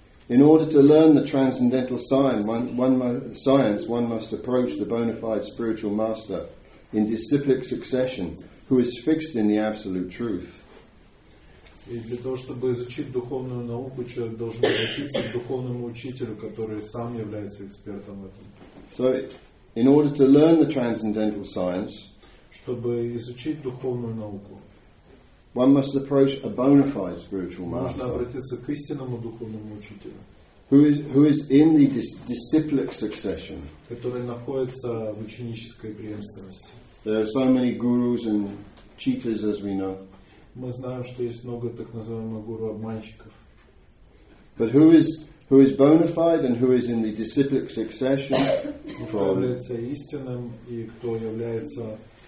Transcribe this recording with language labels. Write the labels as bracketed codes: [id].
[en] In order to learn the transcendental science, one must approach the bona fide spiritual master in disciplic succession, who is fixed in the absolute truth. [ru] И для того, чтобы изучить духовную науку, человек должен обратиться к духовному учителю, который сам является экспертом в этом. [en] So, in order to learn the transcendental science, [ru] чтобы изучить духовную науку, [en] one must approach a bona fide spiritual master. [ru] Нужно обратиться к истинному духовному учителю, [en] who is in the disciplic succession, [ru] который находится в ученической преемственности. [en] There are so many gurus and cheaters, as we know. [ru] Мы знаем, что есть много так называемых гуру-обманщиков. [en] But who is bona fide and who is in the disciplic succession? [ru] Кто является истинным и кто является